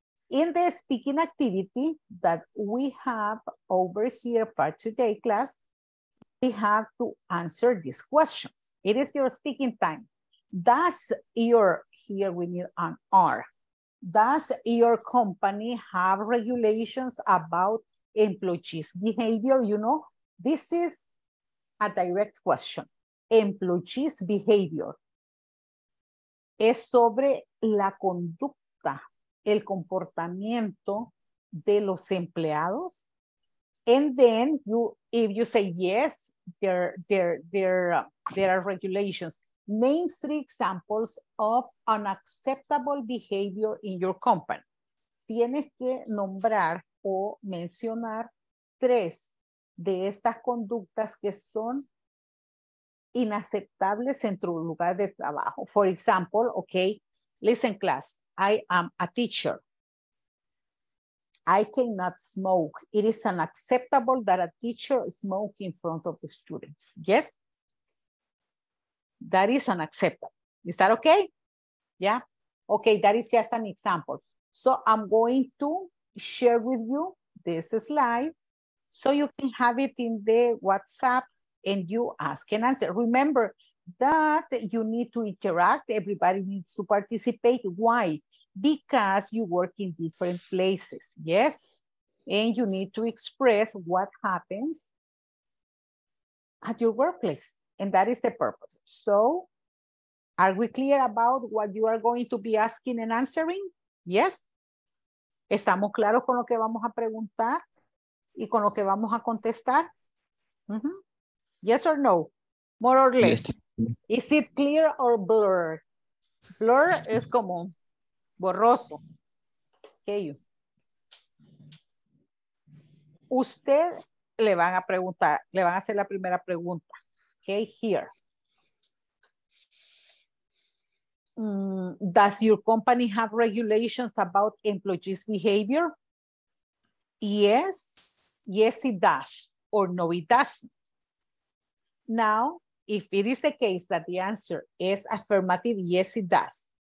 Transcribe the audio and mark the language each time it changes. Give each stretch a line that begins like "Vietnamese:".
English: In the speaking activity that we have over here for today class, we have to answer these questions. It is your speaking time. Does your, here we need an R. Does your company have regulations about employees' behavior? You know, this is a direct question. Employees' behavior
Spanish: es sobre la conducta, el comportamiento de los empleados.
English: And then you, if you say yes, there are regulations. Name three examples of unacceptable behavior in your company.
Spanish: Tienes que nombrar o mencionar tres de estas conductas que son inaceptables en tu lugar de trabajo.
English: For example, okay, listen class, I am a teacher. I cannot smoke. It is unacceptable that a teacher smoke in front of the students. Yes? That is unacceptable. Is that okay? Yeah. Okay, that is just an example. So I'm going to share with you this slide so you can have it in the WhatsApp and you ask and answer. Remember that you need to interact. Everybody needs to participate. Why? Because you work in different places. Yes. And you need to express what happens at your workplace. And that is the purpose. So are we clear about what you are going to be asking and answering? Yes.
Spanish: ¿Estamos claros con lo que vamos a preguntar y con lo que vamos a contestar?
English: Mm-hmm. Yes or no? More or less. Yes. Is it clear or blur?
Spanish: Blur es como borroso. Okay. Usted le van a preguntar, le van a hacer la primera pregunta.
English: Okay, here. Does your company have regulations about employees' behavior? Yes. Yes, it does. Or no, it doesn't. Now, if it is the case that the answer is affirmative, yes, it does.